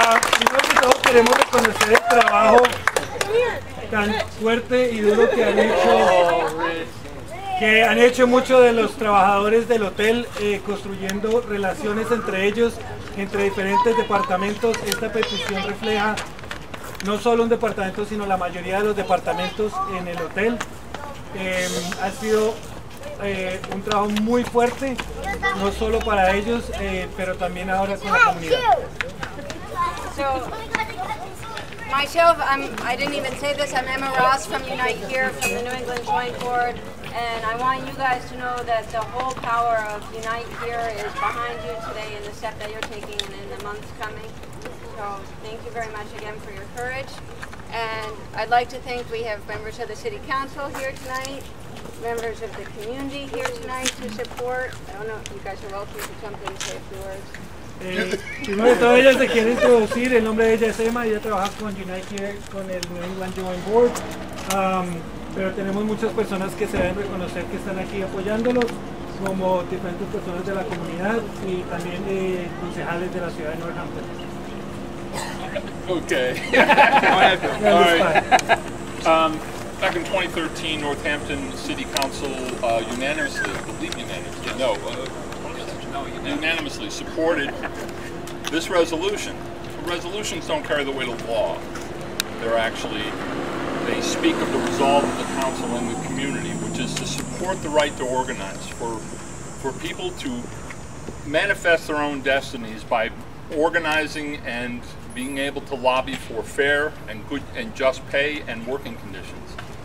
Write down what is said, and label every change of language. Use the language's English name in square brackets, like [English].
[Spanish] Primero que todo queremos reconocer el trabajo tan fuerte y duro que han hecho, muchos de los trabajadores del hotel construyendo relaciones entre ellos, entre diferentes departamentos. Esta petición refleja no solo un departamento, sino la mayoría de los departamentos en el hotel. Ha sido un trabajo muy fuerte, no solo para ellos, pero también ahora con la comunidad. [English] So, myself, I didn't even say this, I'm Emma Ross from Unite Here, from the New England Joint Board, and I want you guys to know that the whole power of Unite Here is behind you today in the step that you're taking and in the months coming. So, thank you very much again for your courage. And I'd like to thank, we have members of the City Council here tonight, members of the community here tonight to support. I don't know if you guys are welcome to jump in and say a few words. [Spanish] Primero de todo, ella se quiere introducir. El nombre de ella es Emma, ella trabaja con Unite Here, con el New England Joint Board. Pero tenemos muchas personas que se deben reconocer que están aquí apoyándolos, como diferentes personas de la comunidad y también concejales de la ciudad de Northampton. Ok. [English] Back in 2013, Northampton City Council unanimously supported this resolution. Resolutions don't carry the weight of law. They speak of the resolve of the council and the community, which is to support the right to organize, for people to manifest their own destinies by organizing and being able to lobby for fair and good and just pay and working conditions.